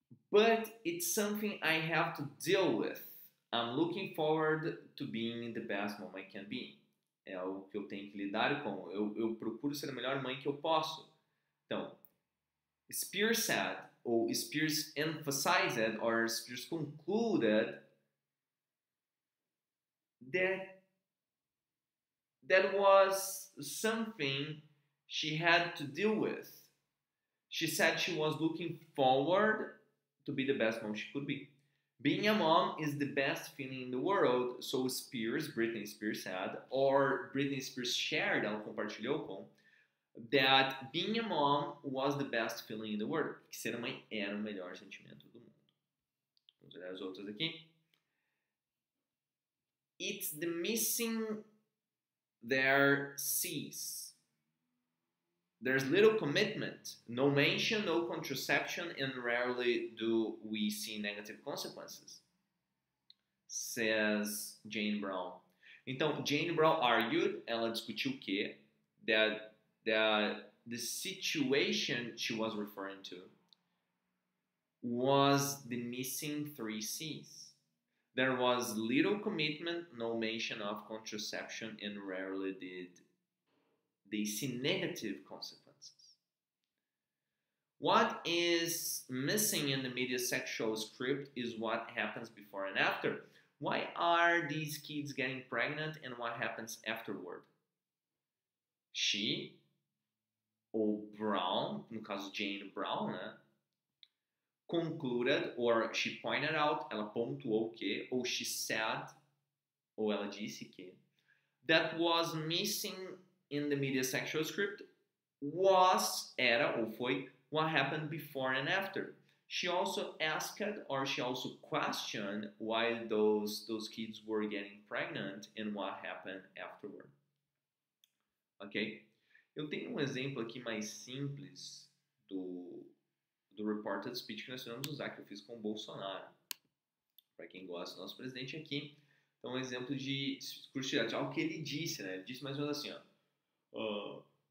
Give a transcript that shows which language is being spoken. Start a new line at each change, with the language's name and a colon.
English: But it's something I have to deal with. I'm looking forward to being the best mom I can be.
Portuguese: É o que eu tenho que lidar com. Eu procuro ser a melhor mãe que eu posso. Então,
English: Spears said, ou Spears emphasized, or Spears concluded that was something she had to deal with. She said she was looking forward to be the best mom she could be. Being a mom is the best feeling in the world. So Spears, Britney Spears said, or Britney Spears shared,
Portuguese: ela compartilhou com,
English: that being a mom was the best feeling in the world.
Portuguese: Que ser mãe era o melhor sentimento do mundo. vamos olhar as outras aqui.
English: It's the missing their C's. There's little commitment, no mention, no contraception, and rarely do we see negative consequences, says Jane Brown.
Portuguese: Então, Jane Brown
English: argued,
Portuguese: ela discutiu o quê?
English: That the situation she was referring to was the missing three C's. There was little commitment, no mention of contraception, and rarely did they see negative consequences. What is missing in the media sexual script is what happens before and after. Why are these kids getting pregnant and what happens afterward? She, or Brown,
Portuguese: no caso Jane Brown, né?
English: Concluded, or she pointed out,
Portuguese: ela pontuou que,
English: or she said,
Portuguese: ou ela disse que,
English: that was missing in the media sexual script was,
Portuguese: era, ou foi,
English: what happened before and after. She also asked, or she also questioned, why those kids were getting pregnant and what happened afterward. Ok?
Portuguese: Eu tenho exemplo aqui mais simples do reported speech que nós vamos usar, que eu fiz com o Bolsonaro. Para quem gosta do nosso presidente aqui. Então, um exemplo de discurso direto. Algo que ele disse, né? Ele disse mais ou menos assim, ó.